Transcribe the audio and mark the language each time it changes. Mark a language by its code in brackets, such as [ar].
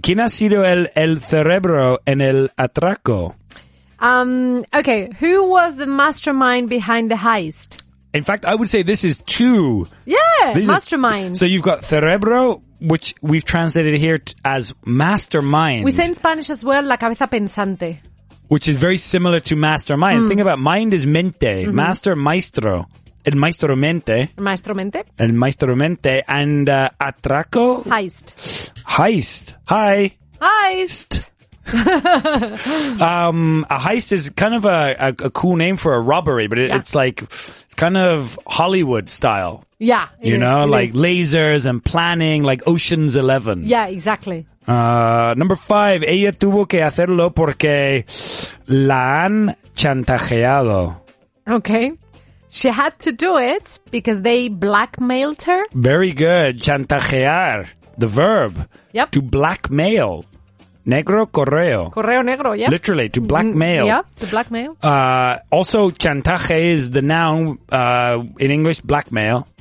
[es] ¿Quién ha sido el cerebro en el atraco? [en] Okay, who was the mastermind behind the heist? In fact, I would say this is two. Yeah, these mastermind. So you've got cerebro, which we've translated here as mastermind. We say in Spanish as well, [es] la cabeza pensante. [en] Which is very similar to mastermind. Mm. Think about it. Mind is mente. Mm-hmm. [es] Master, maestro. El maestro mente. Maestro mente. El maestro mente. And atraco? [en] Heist. Heist. Hi. Heist. A heist is kind of a cool name for a robbery, but it's like, it's kind of Hollywood style. Yeah. You know, like lasers and planning, like Ocean's 11. Yeah, exactly. Number five, [es] ella tuvo que hacerlo porque la han chantajeado. [en] Okay. She had to do it because they blackmailed her. Very good. Chantajear, the verb. Yep. To blackmail. [es] Negro correo. Correo negro, yeah. [en] Literally, to blackmail. Yeah, to blackmail. Also, chantaje is the noun in English, blackmail.